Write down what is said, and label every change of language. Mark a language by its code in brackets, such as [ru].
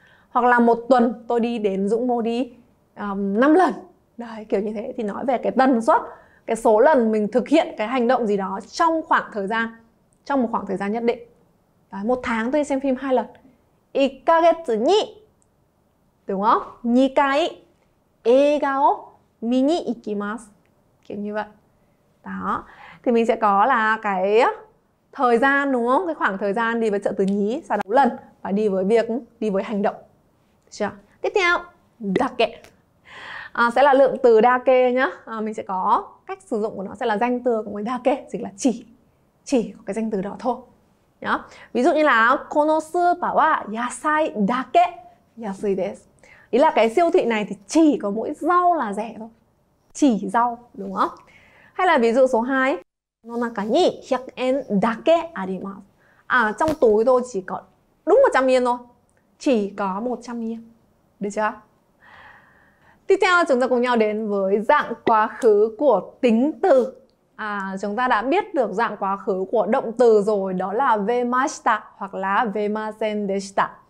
[vi] Hoặc là một tuần tôi đi đến Dũng Mô đi 5 lần. Đấy, kiểu như thế thì nói về cái tần suất, cái số lần mình thực hiện cái hành động gì đó trong khoảng thời gian, trong một khoảng thời gian nhất định. Đấy, một tháng tôi xem phim 2 lần. [ja] 1 ヶ月に, [vi] đúng không? [ja] 2回映画を見に行きます. [vi] Kiểu như vậy. Đó. Thì mình sẽ có là cái thời gian, đúng không? Cái khoảng thời gian đi với trợ từ nhí, sau đó lần và đi với việc, đi với hành động. Được chưa? Tiếp theo, dake. À, sẽ là lượng từ dake nhá. À, mình sẽ có cách sử dụng của nó sẽ là danh từ của dake, dịch là chỉ. Chỉ có cái danh từ đó thôi. Nhá. [ja] Ví dụ như là このスーパーは野菜だけ安いです. [vi] Ý là cái siêu thị này thì chỉ có mỗi rau là rẻ thôi. Chỉ rau, đúng không? Hay là ví dụ số 2. [ja] この中に100円だけあります. [vi] À, trong túi tôi chỉ có đúng 100 yên thôi. Chỉ có 100 yên. Được chưa? Tiếp theo chúng ta cùng nhau đến với dạng quá khứ của tính từ. À, chúng ta đã biết được dạng quá khứ của động từ rồi, đó là về ました hoặc là về ませんでした.